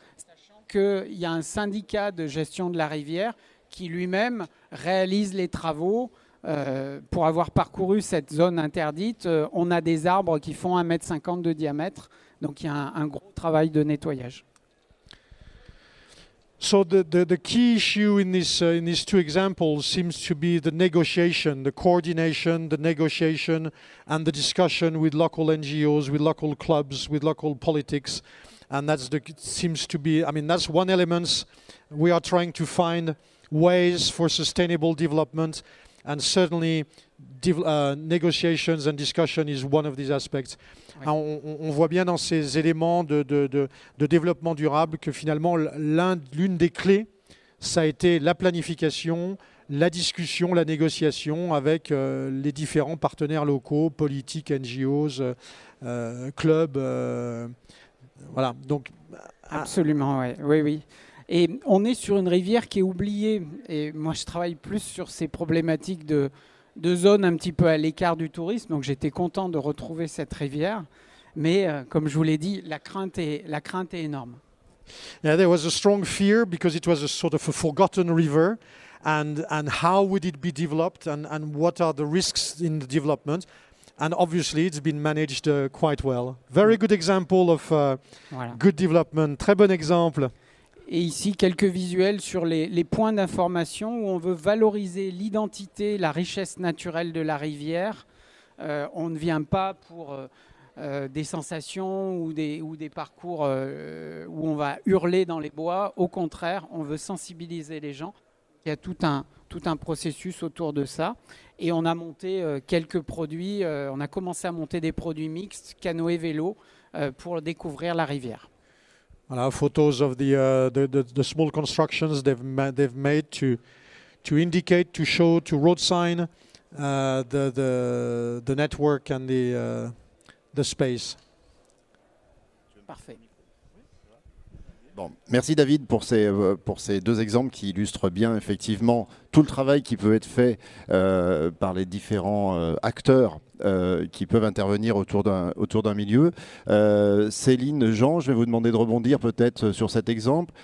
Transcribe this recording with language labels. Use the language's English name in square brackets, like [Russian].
[French] Sachant qu'il y a un syndicat de gestion de la rivière qui lui-même réalise les travaux. Pour avoir parcouru cette zone interdite, on a des arbres qui font 1,50 m de diamètre. Donc il y a un gros travail de nettoyage. [English] So the key issue in these two examples seems to be the negotiation, the coordination, the negotiation and the discussion with local NGOs, with local clubs, with local politics. And that's the seems to be, I mean, that's one element. We are trying to find ways for sustainable development. And certainly, negotiations and discussion is one of these aspects. [French] Oui. On voit bien dans ces éléments de développement durable que finalement l'une des clés, ça a été la planification, la discussion, la négociation avec les différents partenaires locaux, politiques, NGOs, clubs. Voilà. Donc. Absolument. Ouais. Oui. Oui. Et on est sur une rivière qui est oubliée. Et moi, je travaille plus sur ces problématiques de zones un petit peu à l'écart du tourisme. Donc, j'étais content de retrouver cette rivière. Mais comme je vous l'ai dit, la crainte est énorme. [English] Yeah, there was a strong fear because it was a sort of a forgotten river. And how would it be developed? And what are the risks in the development? And obviously, it's been managed quite well. Very good example of good development. [French] Très bon exemple. Et ici, quelques visuels sur les points d'information où on veut valoriser l'identité, la richesse naturelle de la rivière. On ne vient pas pour des sensations ou des parcours où on va hurler dans les bois. Au contraire, on veut sensibiliser les gens. Il y a tout un processus autour de ça. Et on a monté quelques produits. On a commencé à monter des produits mixtes, canoë et vélo, pour découvrir la rivière. [English] Photos of the small constructions they've made to indicate, to show, to road sign the network and the space. [French] Parfait. Bon, merci David pour ces deux exemples qui illustrent bien effectivement tout le travail qui peut être fait par les différents acteurs qui peuvent intervenir autour d'un milieu. Céline, Jean, je vais vous demander de rebondir peut-être sur cet exemple.